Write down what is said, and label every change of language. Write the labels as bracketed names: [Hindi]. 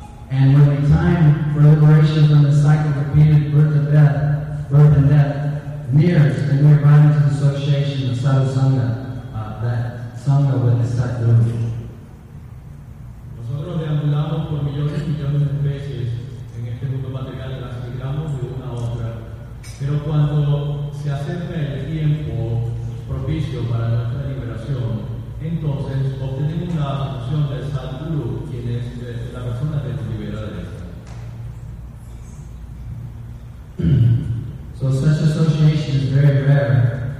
[English] And when the time for liberation from the cycle of repeated birth and death, nears, and we are bound to the association of Sadhu Sangha, that Sangha with the Sadhguru. [Spanish] Nosotros deambulamos por millones y millones de especies en este mundo material, las migramos de una a otra. Pero cuando se acerca el tiempo propicio para nuestra liberación, entonces obtenemos la asociación del Sadhguru, quien es la persona que nos libera de esta. [English] So such association is very rare.